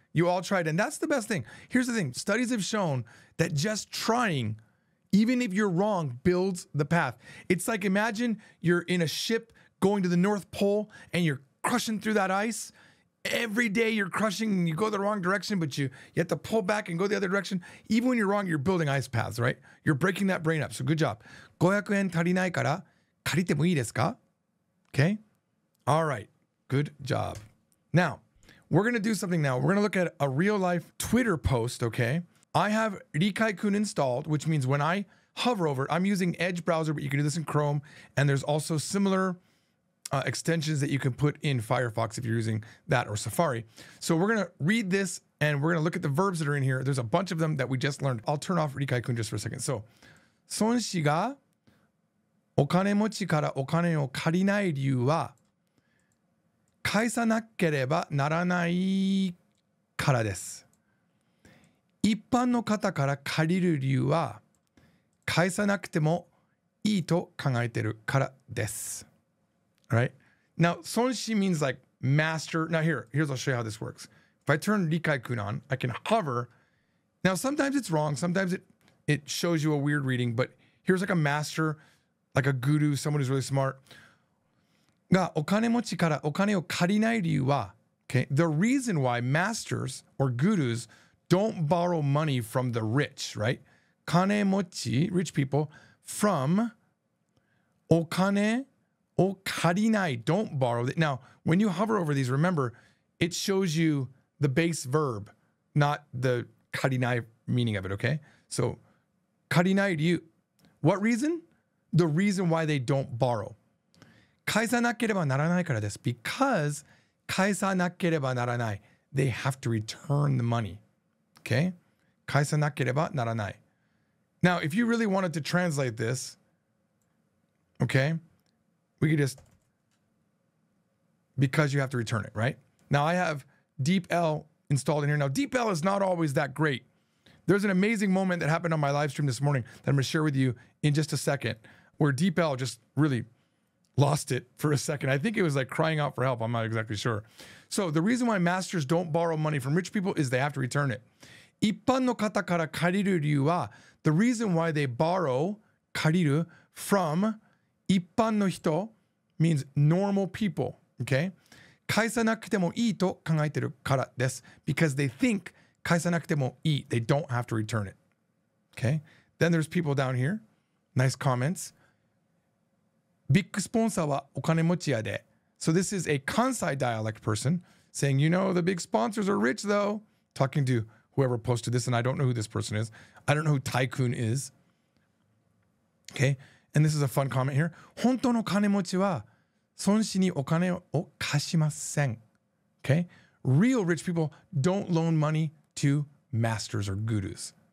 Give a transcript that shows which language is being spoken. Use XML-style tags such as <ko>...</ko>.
<en>You all tried, and that's the best thing. Here's the thing. Studies have shown that just trying, even if you're wrong, builds the path. It's like, imagine you're in a ship going to the North Pole, and you're crushing through that ice. every day you're crushing and you go the wrong direction, but you have to pull back and go the other direction. Even when you're wrong, you're building ice paths, right? You're breaking that brain up. So good job.</en> <ja>500 yen 足りないから借りてもいいですか?</ja> <en>Okay. All right. Good job. Now, we're going to do something now. We're going to look at a real life Twitter post, okay? I have Rikai-kun installed, which means when I hover over, I'm using Edge browser, but you can do this in Chrome. And there's also similar extensions that you can put in Firefox if you're using that or Safari. So we're going to read this and we're going to look at the verbs that are in here. There's a bunch of them that we just learned. I'll turn off Rikai-kun just for a second. So,</en> <ja>孫子がお金持ちからお金を借りない理由は返さなければならないからです。一般の方から借りる理由は返さなくてもいいと考えてるからです。</ja> <en>Right? Now, 孫子 means like master. Now here's I'll show you how this works. If I turn Rikai-kun on, I can hover. Now, sometimes it's wrong. Sometimes it shows you a weird reading, but here's like a master, like a guru, someone who's really smart.</en> <ja>がお金持ちからお金を借りない理由は</ja> <en>Okay, the reason why masters or gurus don't borrow money from the rich, right? 金持ち, rich people, from</en> <ja>お金を借りない,</ja> <en>don't borrow. Now, when you hover over these, remember, it shows you the base verb, not the 借りない meaning of it, okay? So,</en> <ja>借りない理由.</ja> <en>What reason? The reason why they don't borrow.</en> <ja>返さなければならないからです.</ja> <en>Because</en> <ja>返さなければならない.</ja> <en>They have to return the money. Okay?</en> <ja>返さなければならない.</ja> <en>Now, if you really wanted to translate this, okay, we could just... Because you have to return it, right? Now, I have DeepL installed in here. Now, DeepL is not always that great. There's an amazing moment that happened on my live stream this morning that I'm going to share with you in just a second, where DeepL just really lost it for a second. I think it was like crying out for help. I'm not exactly sure. So the reason why masters don't borrow money from rich people is they have to return it.</en> <ja>一般の方から借りる理由は,</ja> <en>the reason why they borrow, 借りる, from 一般の人, means normal people, okay?</en> <ja>返さなくてもいいと考えてるからです.</ja> <en>Because they think</en> <ja>返さなくてもいい,</ja> <en>they don't have to return it, okay? Then there's people down here, nice comments.</en> <ja>ビッグスポンサーはお金持ちやで.</ja> <en>So this is a Kansai dialect person saying, you know, the big sponsors are rich though, talking to whoever posted this, and I don't know who this person is. I don't know who Tycoon is. Okay, and this is a fun comment here.</en> <ja>本当の金持ちは孫子にお金を貸しません.</ja> <en>Okay, real rich people don't loan money to masters or gurus.</en>